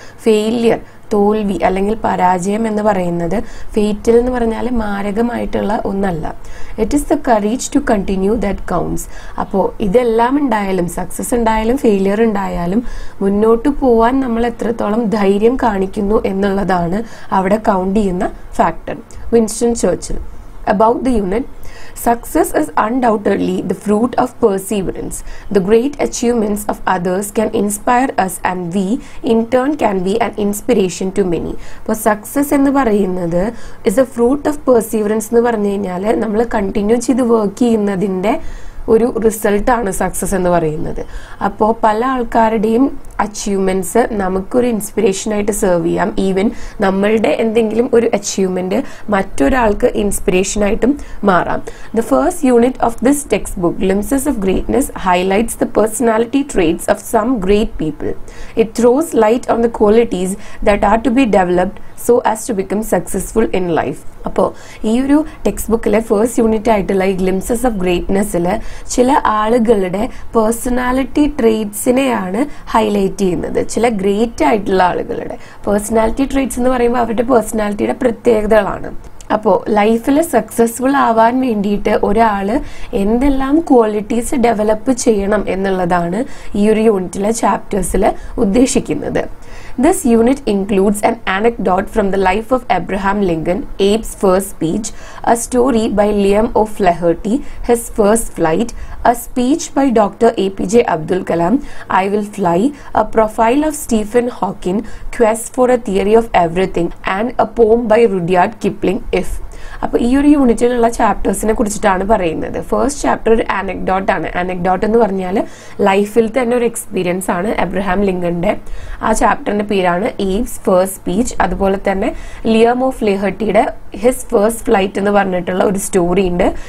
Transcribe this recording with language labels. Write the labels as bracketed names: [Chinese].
[Malayalam] Failure, തോൽവി അല്ലെങ്കിൽ പരാജയം എന്ന് പറയുന്നത് ഫേറ്റൽ എന്ന് പറഞ്ഞാൽ മാരകമായിട്ടുള്ള ഒന്നല്ല. [English] It is the courage to continue that counts. [Malayalam] അപ്പോൾ ഇതെല്ലാം ഉണ്ടായാലും, സക്സസ് ഉണ്ടായാലും ഫെയിലിയർ ഉണ്ടായാലും, മുന്നോട്ട് പോവാൻ നമ്മൾ എത്രത്തോളം ധൈര്യം കാണിക്കുന്നു എന്നുള്ളതാണ് അവിടെ കൗണ്ട് ചെയ്യുന്ന factor. Winston ചേർച്ചിൽ. [English] About the unit, success is undoubtedly the fruit of perseverance. The great achievements of others can inspire us, and we in turn can be an inspiration to many. [Malayalam] For success ennu parayunnathu [English] is a fruit of perseverance [Malayalam] ennu parayunnale nammal continue cheythu work cheyyunnathinte ഒരു റിസൾട്ടാണ് success എന്ന് പറയുന്നത്. അപ്പോൾ പല ആൾക്കാരുടെയും achievements നമുക്കൊരു ഇൻസ്പിരേഷനായിട്ട് serve ചെയ്യാം. Even നമ്മളുടെ എന്തെങ്കിലും ഒരു അച്ചീവ്മെൻറ്റ് മറ്റൊരാൾക്ക് ഇൻസ്പിരേഷനായിട്ടും മാറാം. [English] The first unit of this text book glimpses of greatness highlights the personality traits of some great people. It throws light on the qualities that are to be developed so as to become successful in life. [Malayalam] അപ്പോൾ ഈ ഒരു text ബുക്കിലെ first unit ആയിട്ടുള്ള ഈ glimpses of ഗ്രേറ്റ്നെസ്സിൽ ചില ആളുകളുടെ personality ട്രേറ്റ്സിനെയാണ് highlight ചെയ്യുന്നത്. ചില ഗ്രേറ്റ് ആയിട്ടുള്ള ആളുകളുടെ പേഴ്സണാലിറ്റി ട്രേറ്റ്സ് എന്ന് പറയുമ്പോൾ അവരുടെ പേഴ്സണാലിറ്റിയുടെ പ്രത്യേകതകളാണ്. അപ്പോൾ ലൈഫിൽ സക്സസ്ഫുൾ ആവാൻ വേണ്ടിയിട്ട് ഒരാൾ എന്തെല്ലാം ക്വാളിറ്റീസ് ഡെവലപ്പ് ചെയ്യണം എന്നുള്ളതാണ് ഈ ഒരു യൂണിറ്റിലെ ചാപ്റ്റേഴ്സിൽ ഉദ്ദേശിക്കുന്നത്. [English] This unit includes an anecdote from the life of Abraham Lincoln, Abe's first speech, a story by Liam O'Flaherty, his first flight, a speech by Dr. APJ Abdul Kalam, I Will Fly, a profile of Stephen Hawking, Quest for a Theory of Everything, and a poem by Rudyard Kipling, If. [Malayalam] അപ്പോൾ ഈ ഒരു യൂണിറ്റിലുള്ള ചാപ്റ്റേഴ്സിനെ കുറിച്ചിട്ടാണ് പറയുന്നത്. First chapter ഒരു അനക്ഡോട്ടാണ്. Anecdote എന്ന് പറഞ്ഞാൽ ലൈഫിൽ തന്നെ ഒരു എക്സ്പീരിയൻസ് ആണ് എബ്രഹാം ലിങ്കന്റെ. ആ ചാപ്റ്ററിന്റെ പേരാണ് ഈവ്സ് ഫസ്റ്റ് സ്പീച്ച്. അതുപോലെ തന്നെ ലിയം ഓഫ് ലിഹർട്ടിയുടെ ഹിസ് ഫസ്റ്റ് ഫ്ലൈറ്റ് എന്ന് പറഞ്ഞിട്ടുള്ള ഒരു സ്റ്റോറി ഉണ്ട്.